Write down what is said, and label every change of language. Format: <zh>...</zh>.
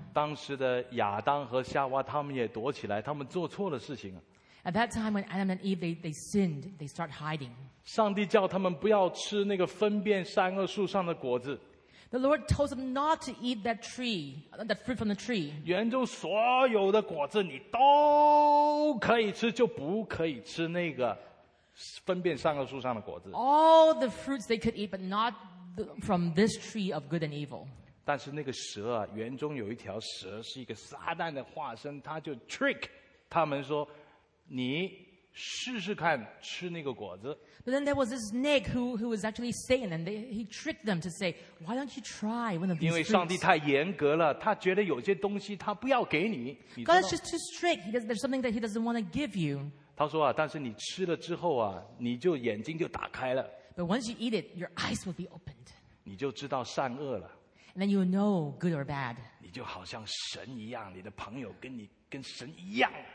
<zh>当时的亚当和夏娃他们也躲起来，他们做错了事情。</zh> <en>At that time when Adam and Eve they sinned, they start hiding.</en> <zh>上帝叫他们不要吃那个分辨善恶树上的果子。</zh> <en>The Lord told them not to eat that tree, that fruit from the tree.</en> <zh>园中所有的果子你都可以吃，就不可以吃那个。分辨善恶树上的果子。</zh> <en>All the fruits they could eat, but not from this tree of good and evil.</en> <zh>但是那个蛇啊，园中有一条蛇，是一个撒旦的化身，他就 trick 他们说，你试试看吃那个果子。</zh> <en>But then there was this snake who was actually Satan, and he tricked them to say, "Why don't you try one of these?"</en> <zh>因为上帝太严格了，他觉得有些东西他不要给你。</zh> <en>God is just too strict. There's something that he doesn't want to give you.</en> <zh>他说啊，但是你吃了之后啊，你就眼睛就打开了。</zh> <en>But once you eat it, your eyes will be opened.</en> <zh>你就知道善恶了。</zh> <en>And then you will know good or bad.</en> <zh>你就好像神一样，你的朋友跟神一样。</zh>